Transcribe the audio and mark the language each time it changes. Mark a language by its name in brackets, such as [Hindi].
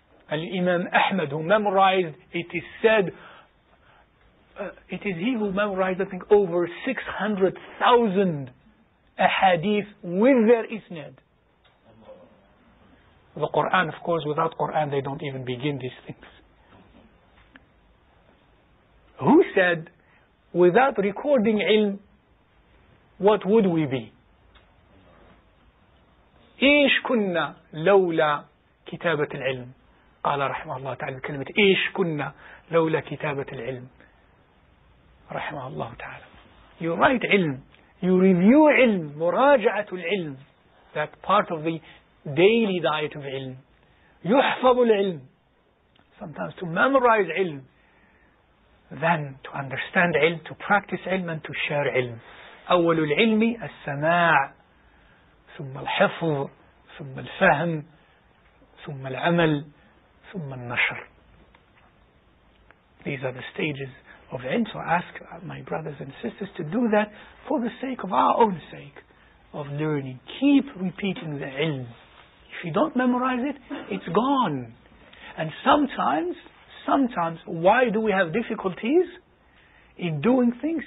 [English] Al-Imam Ahmad, who memorized, it is said, it is he who memorized, I think, over 600,000 a hadith with their isnad. The Quran, of course, without Quran they don't even begin these things. Who said, without recording ilm, what would we be? [Arabic] إيش كنا لولا كتابة العلم؟ قال رحمه الله تعالى الكلمة إيش كنا لولا كتابة العلم؟ رحمه الله تعالى. [English] You write ilm. You review ilm, muraja'atu al-ilm, that part of the daily diet of ilm. Yuhfabu al-ilm, sometimes to memorize ilm. than to understand ilm, to practice ilm, and to share ilm. [Arabic] أول العلم السماع ثم الحفظ ثم الفهم ثم العمل ثم النشر. [English] These are the stages of ilm. So ask my brothers and sisters to do that for the sake of our own sake of learning. Keep repeating the ilm. If you don't memorize it, it's gone. And sometimes, why do we have difficulties in doing things?